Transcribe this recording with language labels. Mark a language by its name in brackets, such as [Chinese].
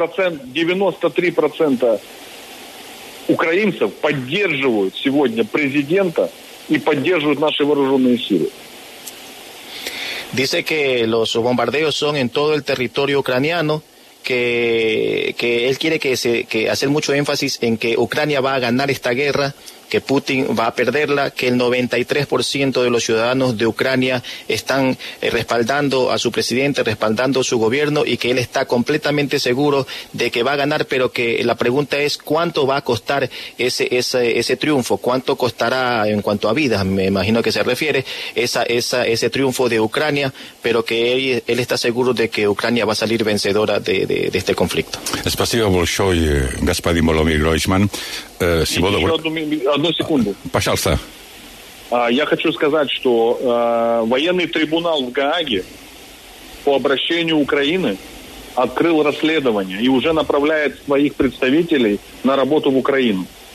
[Russian] 93% украинцев поддерживают сегодня президента и поддерживают наши вооруженные силы. [Spanish] Dice que los bombardeos son en todo el territorio ucraniano, que él quiere que hacer mucho énfasis en que Ucrania va a ganar esta guerra, que Putin va a perderla, que el 93% de los ciudadanos de Ucrania están respaldando a su presidente, respaldando su gobierno, y que él está completamente seguro de que va a ganar, pero que la pregunta es cuánto va a costar ese triunfo, cuánto costará en cuanto a vidas, me imagino que se refiere, ese triunfo de Ucrania, pero que él está seguro de que Ucrania va a salir vencedora de este conflicto. [Russian] Спасибо большое, господин Воломир Гройсман. Одну секунду. Пожалуйста. Я хочу сказать, что военный трибунал в Гааге по обращению Украины открыл расследование и уже направляет своих представителей на работу в Украину.